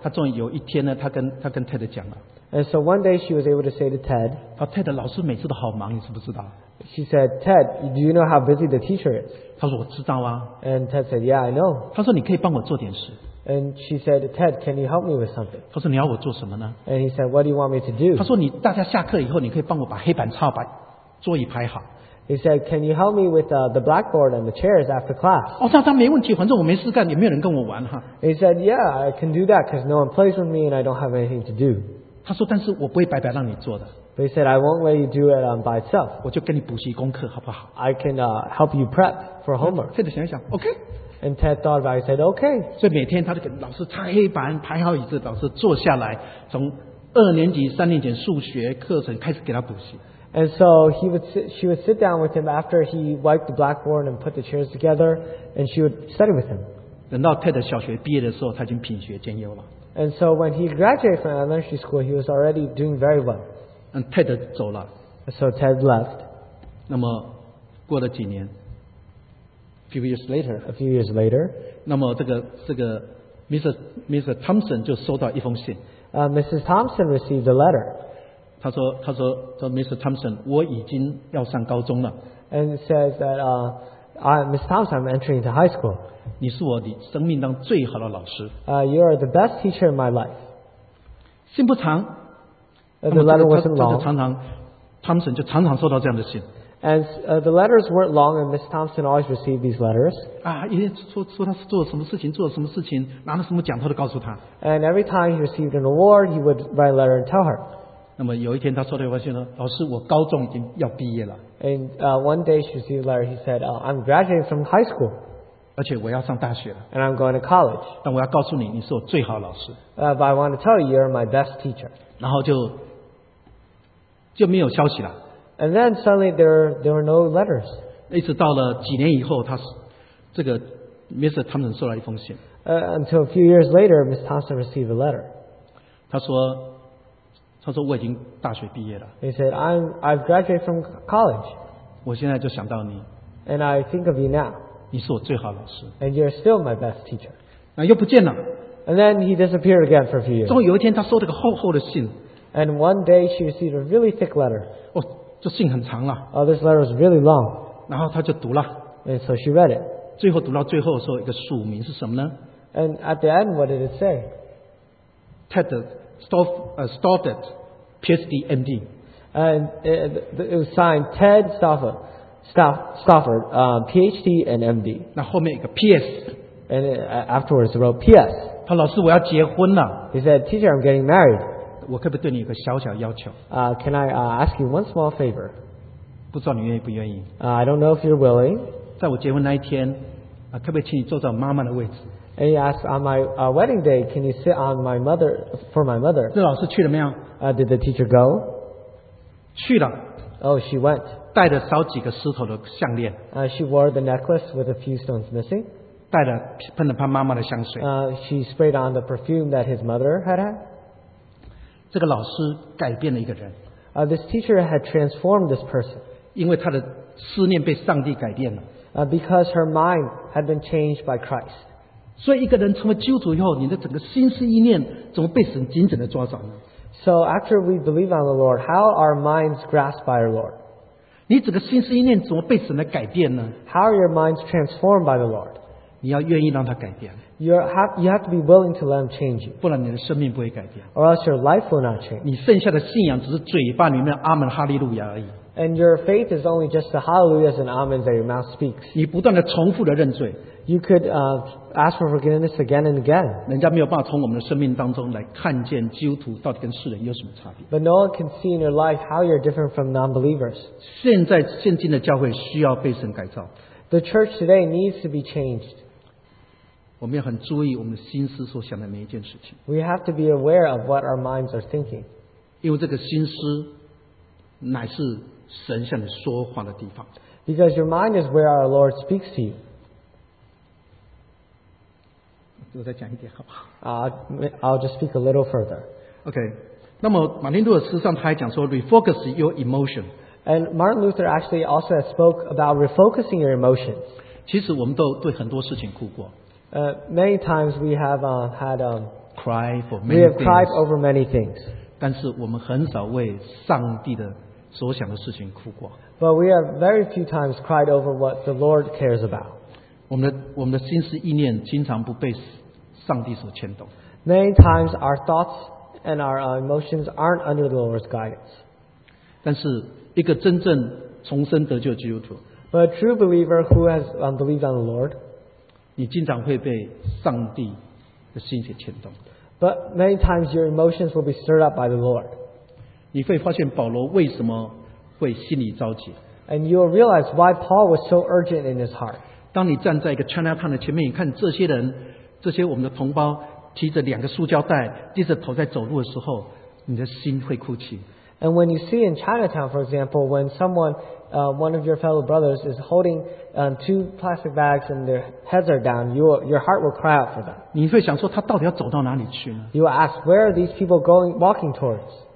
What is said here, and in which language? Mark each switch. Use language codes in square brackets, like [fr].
[zh] 她终于有一天呢，她跟 Ted 讲了。 [en] And so one day she was able to say to Ted, [zh] 她说 Ted 老师每次都好忙，你知不知道？ [en] She said, Ted, do you know how busy the teacher is? [zh] 她说我知道啊。 [en] And Ted said, yeah, I know. [zh] 她说你可以帮我做点事。 [en] And she said, Ted, can you help me with something? [zh] 他说你要我做什么呢？ [en] And he said, what do you want me to do? [zh] 他说你大家下课以后，你可以帮我把黑板擦，把桌椅排好。 [en] He said, can you help me with the blackboard and the chairs after class? [zh] 哦，那没问题，反正我没事干，也没有人跟我玩哈。 [en] He said, yeah, I can do that because no one plays with me and I don't have anything to do. [zh] 他说，但是我不会白白让你做的。 [en] But he said, I won't let you do it by itself. [zh] 我就给你补习功课，好不好？ [en] I can help you prep for homework. [zh] Ted 想一想 ，OK。 [en] And Ted thought about it, said, okay. [zh] 所以每天他就给老师擦黑板，排好椅子，老师坐下来，从二年级、三年级数学课程开始给他补习。 [en] And so she would sit down with him after he wiped the blackboard and put the chairs together, and she would study with him. [zh] 等到 Ted 小学毕业的时候，他已经品学兼优了。 [en] And so when he graduated from elementary school, he was already doing very well. [zh] And Ted 走了。 [en] So Ted left. [zh] 那么过了几年。 [en] A few years later, [zh] 那么这个 Mr. Thompson 就收到一封信。 [en] Mrs. Thompson received a letter. [zh] 他说 Mr. Thompson, 我已经要上高中了。 [en] And it says that Mr. Thompson, I'm entering into high school. [zh] 你是我的生命当最好的老师。 [en] You are the best teacher in my life. [zh] 信不长。 [en] The letter wasn't long. [zh] Thompson 就常常收到这样的信。 [en] And the letters weren't long, and Miss Thompson always received these letters. [zh] 啊，因为说他是做了什么事情，做了什么事情，拿了什么奖，他都告诉他。 [en] And every time he received an award, he would write a letter and tell her. [zh] 那么有一天，他收到一封信呢，老师，我高中已经要毕业了。 [en] And one day she received a letter. He said, "I'm graduating from high school." [zh] 而且我要上大学了。 [en] And I'm going to college. [zh] 但我要告诉你，你是我最好的老师。 [en] But I want to tell you, you're my best teacher. [zh] 然后就没有消息了。 [en] And then suddenly there were no letters. [zh] 一直到了几年以后，他这个 Mr. Thompson 收到一封信。 [en] Until a few years later, Miss Thompson received a letter. [zh] 他说我已经大学毕业了。 [en] He said, "I've graduated from college." [zh] 我现在就想到你。 [en] And I think of you now. [zh] 你是我最好老师。 [en] And you're still my best teacher. [zh] 那又不见了。 [en] And then he disappeared again for a few years. [zh] 终于有一天，他收了个厚厚的信。 [en] And one day she received a really thick letter. [zh] 这信很长了。 [en] This letter was really long. [zh] 然后他就读了。 [en] And so she read it. [zh] 最后读到最后的时候，一个署名是什么呢？ [en] And at the end, what did it say? Ted Stauffer, PhD, MD. And it was signed Ted Stauffer, PhD and MD. [zh] 那后面一个 PS. [en] And afterwards, it wrote PS. [zh] 他老师，我要结婚了。 [en] He said, "Teacher, I'm getting married." [zh] 我可不可以对你有个小小要求？ [en] Can I ask you one small favor? [zh] 不知道你愿意不愿意？ [en] I don't know if you're willing. [zh] 在我结婚那一天，可不可以请你坐在妈妈的位置？ [en] And he asked, on my wedding day, can you sit on my mother for my mother? [zh] 那老师去了没有？ [en] Did the teacher go? [zh] 去了。 [en] Oh, she went. [zh] 带着少几个石头的项链。 [en] She wore the necklace with a few stones missing. [zh] 带着喷了喷妈妈的香水。 [en] She sprayed on the perfume that his mother had. [zh] 这个老师改变了一个人。 [en] This teacher had transformed this person. [zh] 因为他的思念被上帝改变了。 [en] Because her mind had been changed by Christ. [zh] 所以一个人成为基督徒以后，你的整个心思意念怎么被神紧紧的抓住呢？ [en] So after we believe on the Lord, how are our minds grasped by our Lord? [zh] 你整个心思意念怎么被神来改变呢？ [en] How are your minds transformed by the Lord? [zh] 你要愿意让他改变。 [en] You have to be willing to let him change you. [zh] 不然你的生命不会改变。 [en] Or else your life will not change. [zh] 你剩下的信仰只是嘴巴里面阿门哈利路亚而已。 [en] And your faith is only just the hallelujahs and amens that your mouth speaks. [zh] 你不断地重复地认罪, [en] you could ask for forgiveness again and again. [zh] 人家没有办法从我们的生命当中来看见基督徒到底跟世人有什么差别。 [en] But no one can see in your life how you're different from non-believers. [zh] 现在现今的教会需要被神改造。 [en] The church today needs to be changed. [zh] 我们要很注意我们心思所想的每一件事情。 [en] We have to be aware of what our minds are thinking. [zh] 因为这个心思 乃是神向你说话的地方。 [en] Because your mind is where our Lord speaks to you. [zh] 我再讲一点好不好? [en] I'll just speak a little further. [zh] Okay. 那么马丁路德斯上他还讲说 [en] refocus your emotion. And Martin Luther actually also spoke about refocusing your emotions. [zh] 其实我们都对很多事情哭过。 [en] Many times we have had cry for many things. We have cried over many things. [zh] 但是我们很少为上帝的 所想的事情哭过, [en] but we have very few times cried over what the Lord cares about. [zh] 我们的心思意念经常不被上帝所牵动。 [en] Many times our thoughts and our emotions aren't under the Lord's guidance. [zh] 但是一个真正重生得救基督徒, [en] but a true believer who has believed on the Lord, [zh] 你经常会被上帝的心思牵动。 [en] But many times your emotions will be stirred up by the Lord. [zh] 你会发现保罗为什么会心里着急。 [en] And you'll realize why Paul was so urgent in his heart. [zh] 当你站在一个Chinatown的前面，你看这些人，这些我们的同胞提着两个塑胶袋，低着头在走路的时候，你的心会哭泣。 [en] And when you see in Chinatown, for example, when someone, one of your fellow brothers is holding two plastic bags and their heads are down, your heart will cry out for them. [zh] 你会想说他到底要走到哪里去呢? [en] You will ask, where are these people going, walking towards?